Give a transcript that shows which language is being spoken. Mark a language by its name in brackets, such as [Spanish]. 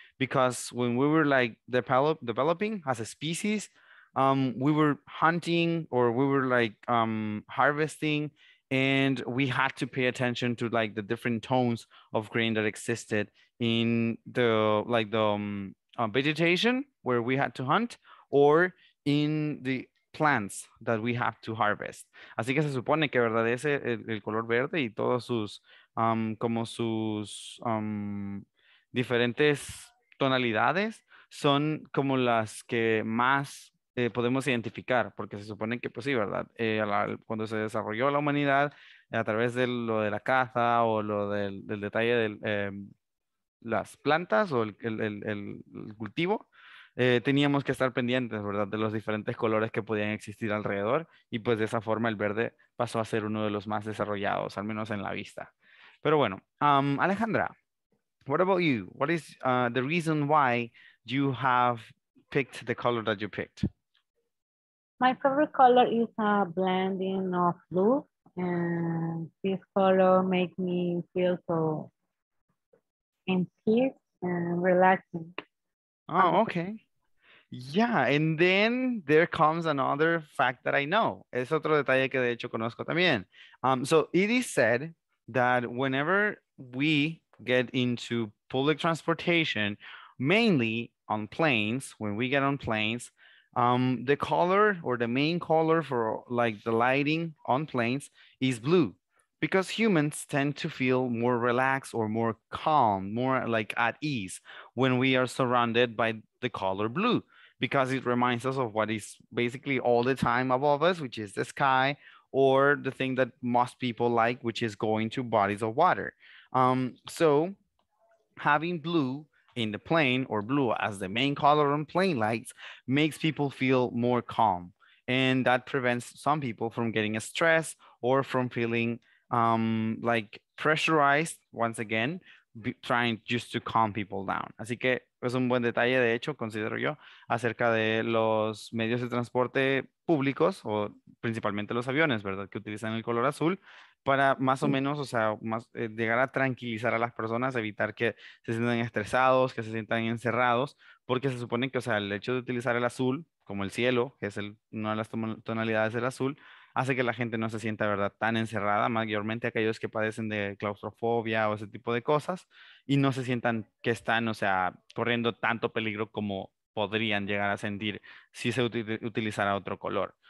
[English] Because when we were like developing as a species, we were hunting, or we were like harvesting, and we had to pay attention to like the different tones of green that existed in the like the vegetation where we had to hunt, or in the plants that we have to harvest. [Spanish] Así que se supone que verdad ese el color verde y todos sus como sus diferentes tonalidades son como las que más podemos identificar, porque se supone que pues sí, ¿verdad? Cuando se desarrolló la humanidad a través de lo de la caza o lo del detalle de las plantas o el cultivo, teníamos que estar pendientes, ¿verdad? De los diferentes colores que podían existir alrededor, y pues de esa forma el verde pasó a ser uno de los más desarrollados, al menos en la vista. [English] Pero bueno, Alejandra, what about you? What is the reason why you have picked the color that you picked? My favorite color is a blending of blue, and this color makes me feel so in peace and relaxing. Oh, okay. Yeah, and then there comes another fact that I know. [Spanish] Es otro detalle que de hecho conozco también. [English] So it is said that whenever we get into public transportation, mainly on planes, when we get on planes, the color, or the main color for like the lighting on planes, is blue, because humans tend to feel more relaxed or more calm, more like at ease when we are surrounded by the color blue, because it reminds us of what is basically all the time above us, which is the sky, or the thing that most people like, which is going to bodies of water. So having blue in the plane, or blue as the main color on plane lights, makes people feel more calm. And that prevents some people from getting stressed or from feeling like pressurized, once again, trying just to calm people down. [Spanish] Así que es un buen detalle, de hecho, considero yo, acerca de los medios de transporte públicos, o principalmente los aviones, ¿verdad? Que utilizan el color azul para más o menos, o sea, más, llegar a tranquilizar a las personas, evitar que se sientan estresados, que se sientan encerrados, porque se supone que, o sea, el hecho de utilizar el azul, como el cielo, que es una de las tonalidades del azul, hace que la gente no se sienta, ¿verdad?, tan encerrada, mayormente aquellos que padecen de claustrofobia o ese tipo de cosas, y no se sientan que están, o sea, corriendo tanto peligro como podrían llegar a sentir si se utilizara otro color.